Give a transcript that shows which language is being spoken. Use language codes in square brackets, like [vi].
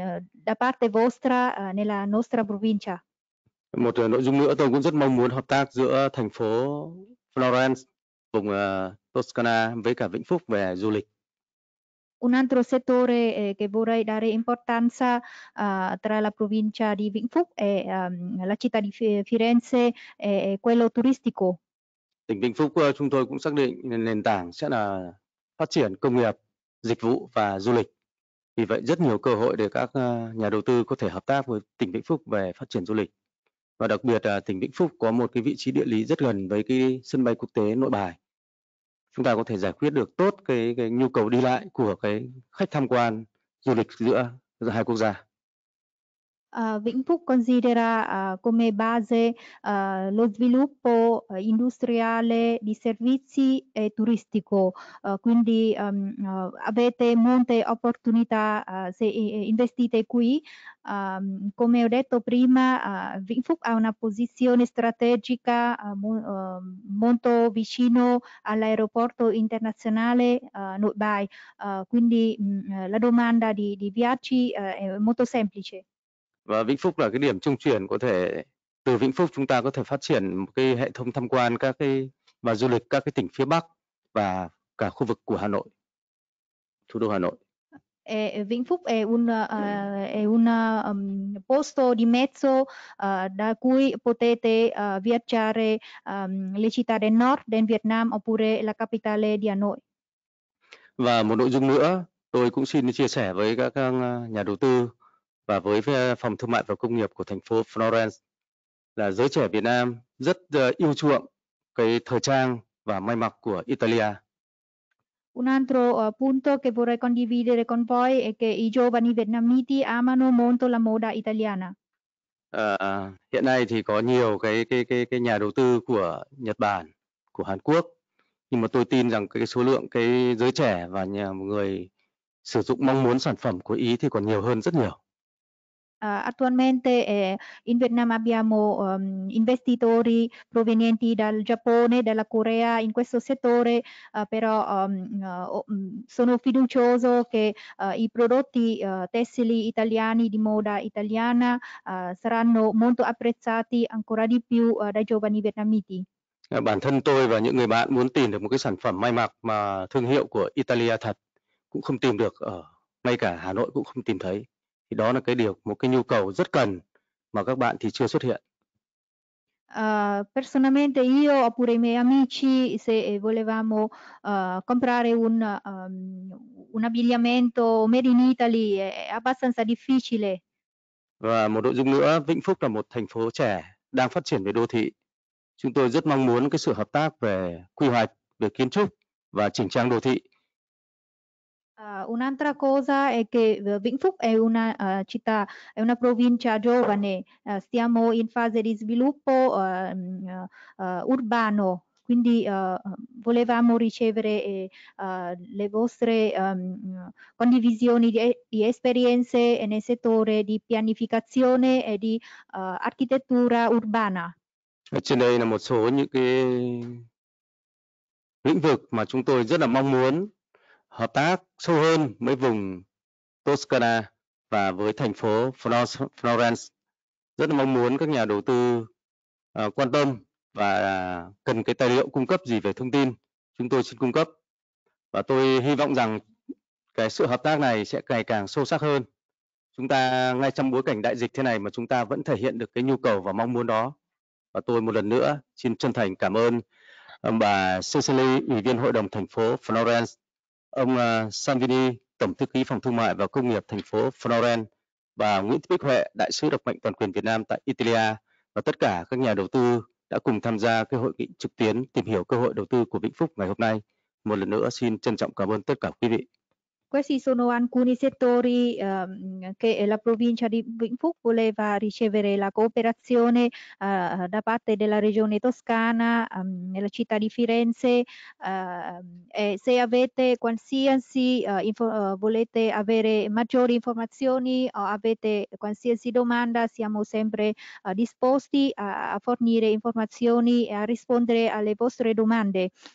[it] da parte vostra nella nostra provincia. [vi] Một nội dung nữa tôi cũng rất mong muốn hợp tác giữa thành phố Florence vùng Toscana với cả Vĩnh Phúc về du lịch. [it] Un altro settore che vorrei dare importanza tra la provincia di Vĩnh Phúc e la città di Firenze è quello turistico. [vi] Tỉnh Vĩnh Phúc chúng tôi cũng xác định nền tảng sẽ là phát triển công nghiệp, dịch vụ và du lịch. Vì vậy rất nhiều cơ hội để các nhà đầu tư có thể hợp tác với tỉnh Vĩnh Phúc về phát triển du lịch. Và đặc biệt là tỉnh Vĩnh Phúc có một cái vị trí địa lý rất gần với cái sân bay quốc tế Nội Bài. Chúng ta có thể giải quyết được tốt cái nhu cầu đi lại của cái khách tham quan du lịch giữa hai quốc gia. [it] Vĩnh Phúc considera come base lo sviluppo industriale di servizi e turistico, quindi avete molte opportunità se investite qui. Come ho detto prima, Vĩnh Phúc ha una posizione strategica molto vicino all'aeroporto internazionale Nội Bài, quindi la domanda di viaggi è molto semplice. [vi] Và Vĩnh Phúc là cái điểm trung chuyển, có thể từ Vĩnh Phúc chúng ta có thể phát triển một cái hệ thống tham quan các cái và du lịch các cái tỉnh phía Bắc và cả khu vực của Hà Nội, thủ đô Hà Nội. [it] Vĩnh Phúc è un posto di mezzo da cui potete viaggiare le città del nord del Vietnam oppure la capitale di Hanoi. [vi] Và một nội dung nữa tôi cũng xin chia sẻ với các nhà đầu tư và với phòng thương mại và công nghiệp của thành phố Florence là giới trẻ Việt Nam rất yêu chuộng cái thời trang và may mặc của Italia. [it] Un altro punto che vorrei condividere con voi è che i giovani vietnamiti amano molto la moda italiana. [vi] Hiện nay thì có nhiều cái nhà đầu tư của Nhật Bản, của Hàn Quốc, nhưng mà tôi tin rằng cái số lượng cái giới trẻ và nhà người sử dụng mong muốn sản phẩm của Ý thì còn nhiều hơn rất nhiều. [it] Attualmente in Vietnam abbiamo investitori provenienti dal Giappone, dalla Corea in questo settore, però sono fiducioso che i prodotti tessili italiani di moda italiana saranno molto apprezzati ancora di più dai giovani vietnamiti. [vi] Bản thân tôi và những người bạn muốn tìm được một cái sản phẩm may mặc mà thương hiệu của Italia thật cũng không tìm được, ngay cả Hà Nội cũng không tìm thấy. Đó là cái điều, một cái nhu cầu rất cần mà các bạn thì chưa xuất hiện. [it] Personalmente io oppure i miei amici, se volevamo comprare un abbigliamento made in Italy è abbastanza difficile. [vi] Và một nội dung nữa, Vĩnh Phúc là một thành phố trẻ đang phát triển về đô thị. Chúng tôi rất mong muốn cái sự hợp tác về quy hoạch, về kiến trúc và chỉnh trang đô thị. [it] Un'altra cosa è che Vĩnh Phúc è una città, è una provincia giovane, stiamo in fase di sviluppo urbano, quindi volevamo ricevere le vostre condivisioni di esperienze nel settore di pianificazione e di architettura urbana. [vi] Trên đây là một số những cái lĩnh vực mà chúng tôi rất là mong muốn hợp tác sâu hơn với vùng Toscana và với thành phố Florence. Rất là mong muốn các nhà đầu tư quan tâm và cần cái tài liệu cung cấp gì về thông tin, chúng tôi xin cung cấp. Và tôi hy vọng rằng cái sự hợp tác này sẽ ngày càng sâu sắc hơn. Chúng ta ngay trong bối cảnh đại dịch thế này mà chúng ta vẫn thể hiện được cái nhu cầu và mong muốn đó. Và tôi một lần nữa xin chân thành cảm ơn bà Cecily, Ủy viên Hội đồng thành phố Florence, ông Sanvini, Tổng thư ký Phòng Thương mại và Công nghiệp thành phố Florence, và Nguyễn Bích Huệ, Đại sứ đặc mệnh toàn quyền Việt Nam tại Italia, và tất cả các nhà đầu tư đã cùng tham gia cái hội nghị trực tuyến tìm hiểu cơ hội đầu tư của Vĩnh Phúc ngày hôm nay. Một lần nữa xin trân trọng cảm ơn tất cả quý vị. [it] Questi sono alcuni settori che la provincia di Vĩnh Phúc voleva ricevere la cooperazione da parte della regione toscana, nella città di Firenze. E se avete qualsiasi, volete avere maggiori informazioni o avete qualsiasi domanda, siamo sempre disposti a fornire informazioni e a rispondere alle vostre domande.